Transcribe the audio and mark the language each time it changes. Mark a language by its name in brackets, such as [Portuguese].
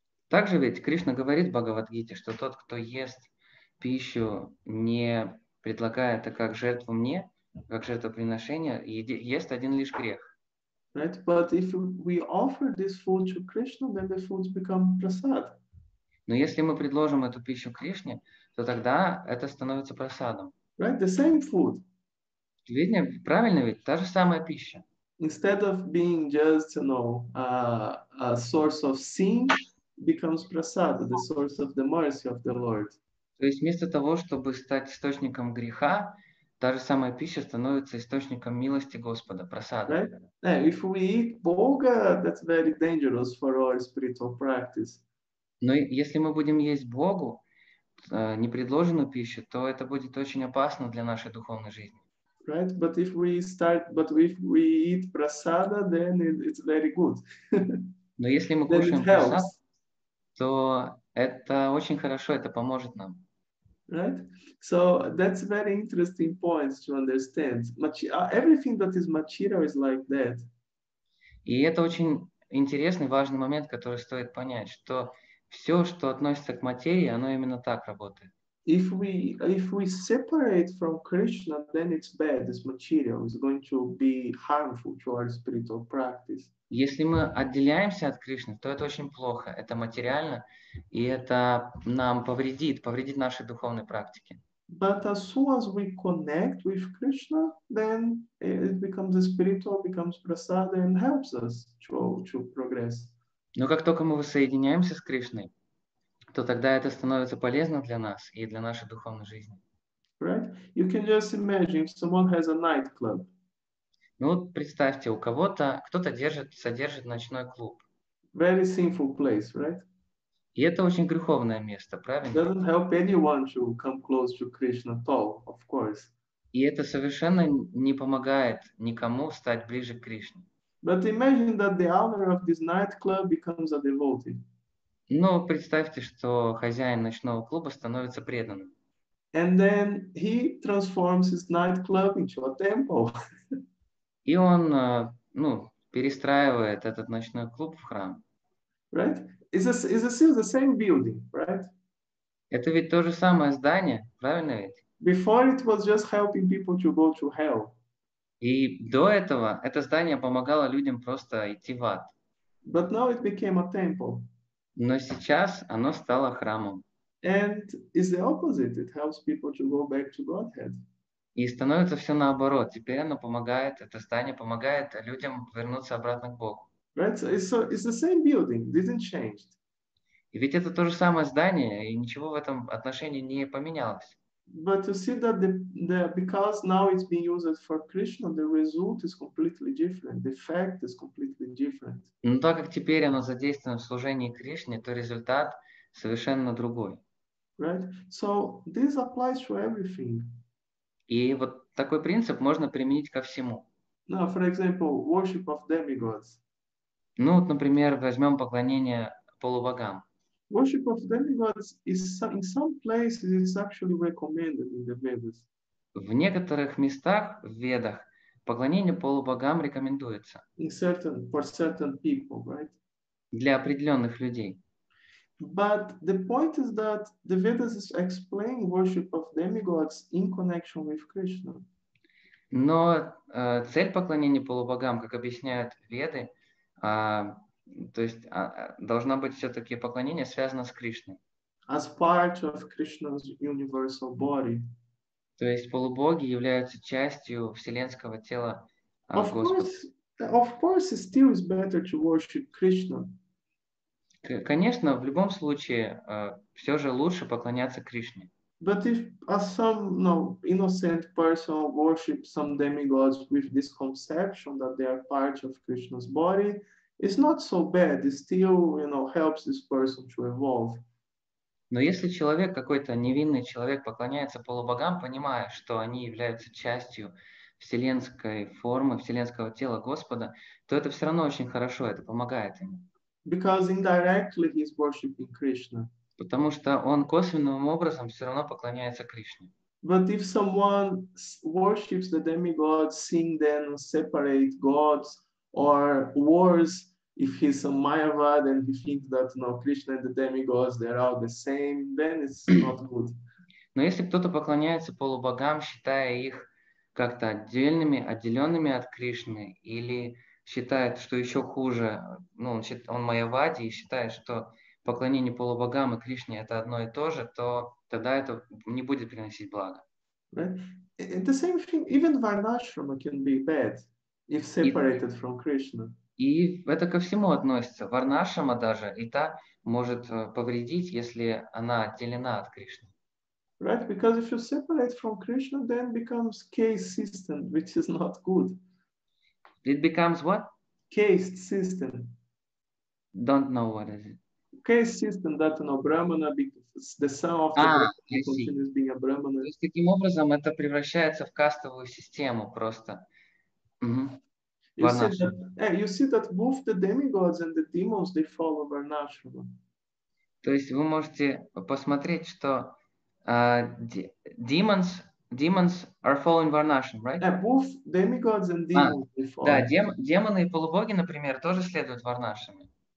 [Russian] Также ведь Кришна говорит в Бхагавад-гите, что тот, кто ест пищу, не предлагая это как жертву мне, как жертвоприношение, ест один лишь грех. [English] Right, but if we offer this food to Krishna, then the foods become prasad. [Russian] Но если мы предложим эту пищу Кришне, то тогда это становится прасадом. [English] Right, the same food. [Russian] Видно, правильно ведь, та же самая пища. [English] Instead of being just, you know, a source of sin, becomes prasad, the source of the mercy of the Lord. [Russian] То есть вместо того, чтобы стать источником греха, та же самая пища становится источником милости Господа, прасада. [English] Right? Yeah, if we eat bhoga, that's very dangerous for our spiritual practice. [Russian] Но если мы будем есть богу, непредложенную пищу, то это будет очень опасно для нашей духовной жизни. [English] Right, but if we eat prasada, then it's very good. [Russian] Но если мы кушаем прасада, то это очень хорошо, это поможет нам. [English] Right, so that's very interesting point to understand. Everything that is material is like that. [Russian] И это очень интересный, важный момент, который стоит понять, что все, что относится к материи, оно именно так работает. [English] if we separate from Krishna, then it's bad. This material is going to be harmful to our spiritual practice. [Russian] Если мы отделяемся от Кришны, то это очень плохо, это материально, и это нам повредит, повредит нашей духовной практике. [English] But as soon as we connect with Krishna, then it becomes a spiritual, becomes prasada and helps us to progress. [Russian] Но как только мы воссоединяемся с Кришной, то тогда это становится полезным для нас и для нашей духовной жизни. [English] Right? You can just imagine if someone has a nightclub. [Russian] Ну вот представьте, у кого-то кто-то держит, содержит ночной клуб. [English] Very sinful place, right? [Russian] И это очень греховное место, правильно? [English] Doesn't help anyone to come close to Krishna at all, of course. [Russian] И это совершенно не помогает никому стать ближе к Кришне. [English] But imagine that the owner of this nightclub becomes a devotee. [Russian] Но представьте, что хозяин ночного клуба становится преданным. [English] And then he transforms his nightclub into a temple. [Russian] И он, ну, перестраивает этот ночной клуб в храм. [English] Right? It's still the same building, right? [Russian] Это ведь то же самое здание, правильно ведь? [English] Before it was just helping people to go to hell. [Russian] И до этого это здание помогало людям просто идти в ад. [English] But now it became a temple. [Russian] Но сейчас оно стало храмом. [English] And it's the opposite. It helps people to go back to Godhead. [Russian] И становится все наоборот. Теперь оно помогает, это здание помогает людям вернуться обратно к Богу. [English] Right? So it's the same building. It didn't change. [Russian] И ведь это то же самое здание, и ничего в этом отношении не поменялось. [English] But you see that because now it's being used for Krishna, the result is completely different. The fact is completely different. [Russian] Но так как теперь оно задействовано в служении Кришне, то результат совершенно другой. [English] Right? So this applies to everything. [Russian] И вот такой принцип можно применить ко всему. [English] Now, for example, worship of demigods. [Russian] Ну вот, например, возьмем поклонение полубогам. [English] Worship of demigods is in some places it's actually recommended in the Vedas. [Russian] В некоторых местах в Ведах поклонение полубогам рекомендуется. [English] In certain, for certain people, right? [Russian] Для определенных людей. [English] But the point is that the Vedas is explaining worship of demigods in connection with Krishna. [Russian] Но цель поклонения полубогам, как объясняют Веды, то есть должно быть все-таки поклонение связано с Кришной. [English] As part of Krishna's universal body. [Russian] То есть полубоги являются частью вселенского тела Господа. [English] Of course, still is better to worship Krishna. [Russian] Конечно, в любом случае все же лучше поклоняться Кришне. [English] But if innocent person worships some demigods with this conception that they are part of Krishna's body, it's not so bad. It still, helps this person to evolve. [Russian] Но если человек, какой-то невинный человек, поклоняется полубогам, понимая, что они являются частью вселенской формы, вселенского тела Господа, то это все равно очень хорошо, это помогает ему. [English] Because indirectly he's worshiping Krishna. [Russian] Потому что он косвенным образом все равно поклоняется Кришне. [English] But if someone worships the demigods, seeing them separate gods, or worse, if he's a Mayavad and he thinks that Krishna and the demigods, they're all the same, then it's not good. [Russian] Но если кто-то поклоняется полубогам, считая их как-то отдельными, отделенными от Кришны, или считает, что еще хуже, ну, он Майавади и считает, что поклонение полубогам и Кришне это одно и то же, то тогда это не будет приносить благо. [English] Right? The same thing, even Varnashrama can be bad if separated from Krishna. [Russian] И это ко всему относится. Варнашрама даже и та может повредить, если она отделена от Кришны. [English] Right, because if you separate from Krishna, then becomes caste system, which is not good. It becomes what? Caste system. Don't know what is it. Caste system that Brahmana, the son of the Brahmana is being a Brahmana. [Russian] То есть таким образом это превращается в кастовую систему просто. Mm-hmm. [English] You see that both the demigods and the demons, they follow Varnashrama. [Russian] То есть вы можете посмотреть, что demons... [English] Demons are following Varnashram, right? Yeah, both demigods and demons. [Russian] Да, демоны и полубоги, например, тоже следуют Варнашраме.